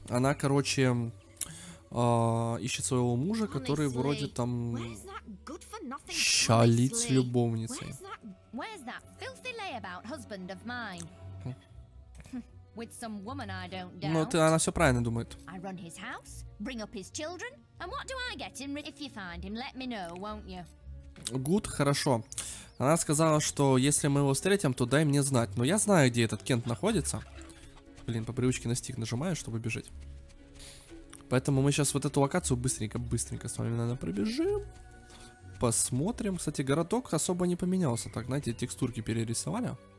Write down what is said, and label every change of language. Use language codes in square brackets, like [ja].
[ru] Она, короче, ищет своего мужа, который вроде там шалит с любовницей. [en] Where's that filthy layabout husband of mine? With some woman I don't doubt. [ru] Ну, ты, она все правильно думает. [en] I run his house, bring up his children, and what do I get in return? If you find him, let me know, won't you? Good, хорошо. [ru] Она сказала, что если мы его встретим, то дай мне знать. Но я знаю, где этот Кент находится. Блин, по привычке на стик нажимаю, чтобы бежать. Поэтому мы сейчас вот эту локацию быстренько с вами, наверное, пробежим. Посмотрим. Кстати, городок особо не поменялся. Так, знаете, текстурки перерисовали.